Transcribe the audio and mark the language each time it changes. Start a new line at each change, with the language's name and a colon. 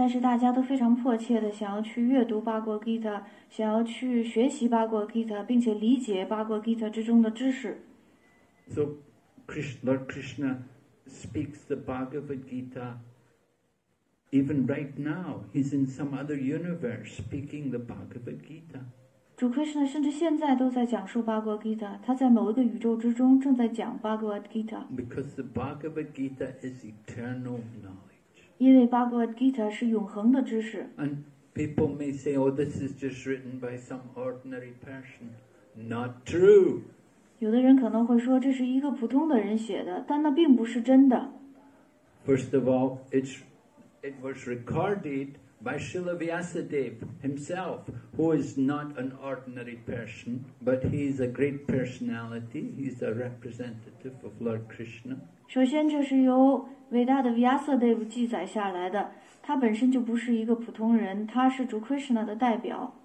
Chinese: 但是大家都非常迫切的想要去阅读巴格瓦吉塔，想要去学习巴格瓦吉塔，并且理解巴格瓦吉塔之中的知识。
English: So, Lord Krishna speaks the Bhagavad Gita. Even right now, he's in some other universe speaking the Bhagavad Gita.
Chinese: 主 Krishna 甚至现在都在讲述巴格瓦吉塔，他在某一个宇宙之中正在讲巴格瓦吉塔。
English: Because the Bhagavad Gita is eternal knowledge.
Chinese: 因为巴格瓦吉塔是永恒的知识。
English: And people may say, "Oh, this is just written by some ordinary person." Not true.
Chinese: 有的人可能会说这是一个普通的人写的，但那并不是真的。
English: First of all, it was recorded by Srila Vyasadeva himself, who is not an ordinary person, but he is a great personality. He is a representative of Lord Krishna.
Chinese: 首先，这是由伟大的 Vyasadeva 记载下来的，他本身就不是一个普通人，他是主 Krishna 的代表。